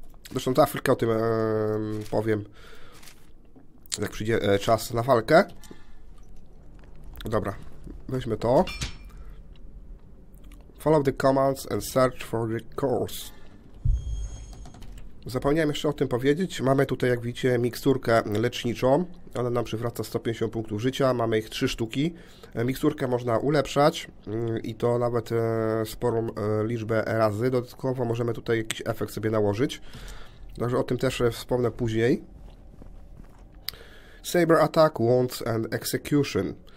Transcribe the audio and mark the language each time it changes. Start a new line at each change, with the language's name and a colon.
Polish: Zresztą za chwilkę o tym powiem, jak przyjdzie czas na walkę. Dobra, weźmy to.
English: Follow the commands and search for the course.
Polish: Zapomniałem jeszcze o tym powiedzieć. Mamy tutaj, jak widzicie, miksturkę leczniczą. Ona nam przywraca 150 punktów życia. Mamy ich 3 sztuki. Miksturkę można ulepszać i to nawet sporą liczbę razy. Dodatkowo możemy tutaj jakiś efekt sobie nałożyć. Także o tym też wspomnę później.
English: Saber attack, wounds and execution.